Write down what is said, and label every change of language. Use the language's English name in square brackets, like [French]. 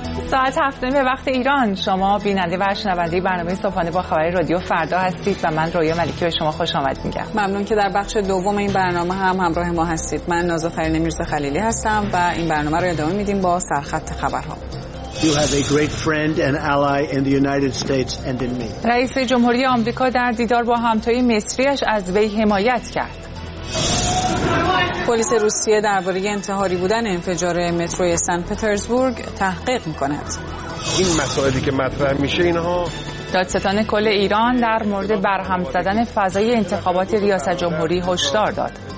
[Persian] ساعت 7 به وقت ایران، شما بیننده و شنونده برنامه صبحانه با خبر رادیو فردا هستید و من رویا ملکی به شما خوش آمد میگم. ممنون که در بخش دوم این برنامه هم همراه ما هستید. من نازافرین میرزا خلیلی هستم و این برنامه رو ادامه میدیم با سرخط خبرها. [English] You have a great friend and ally in the United States and in me. [Persian] رئیس جمهوری آمریکا در دیدار با همتای مصریش از وی حمایت کرد. پلیس روسیه درباره انتحاری بودن انفجار متروی سن پترزبورگ تحقیق میکند. این مسائلی که مطرح میشه اینها. دادستان کل ایران در مورد برهم زدن فضای انتخابات ریاست جمهوری هشدار داد.